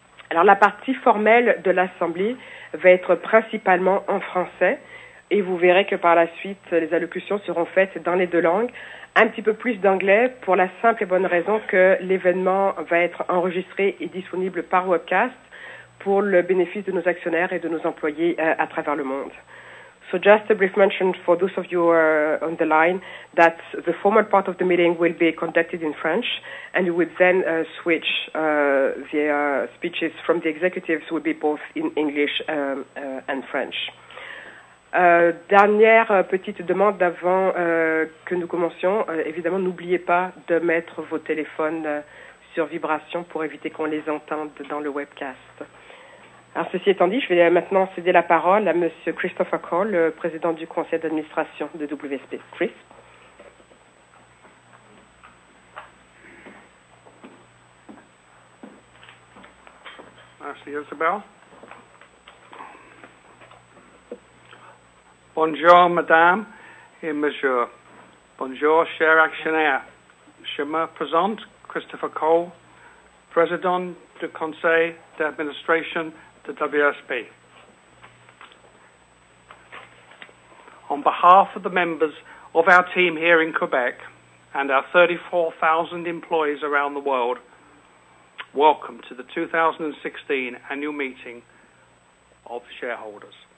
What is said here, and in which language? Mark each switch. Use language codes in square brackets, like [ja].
[fr] Alors la partie formelle de l'Assemblée va être principalement en français et vous verrez que par la suite, les allocutions seront faites dans les deux langues. Un petit peu plus d'anglais pour la simple et bonne raison que l'événement va être enregistré et disponible par webcast pour le bénéfice de nos actionnaires et de nos employés à travers le monde. [en] So just a brief mention for those of you on the line that the formal part of the meeting will be conducted in French and we would then switch the speeches from the executives will be both in English and French. [fr] Dernière petite demande avant que nous commencions. Évidemment, n'oubliez pas de mettre vos téléphones sur vibration pour éviter qu'on les entende dans le webcast. Alors, ceci étant dit, je vais maintenant céder la parole à Monsieur Christopher Cole, le président du conseil d'administration de WSP. Chris. Merci, Isabel. Bonjour, madame et monsieur. Bonjour, chers actionnaires. Je me présente Christopher Cole, président du conseil d'administration de WSP. [en] On behalf of the members of our team here in Quebec and our 34,000 employees around the world, welcome to the 2016 annual meeting of shareholders.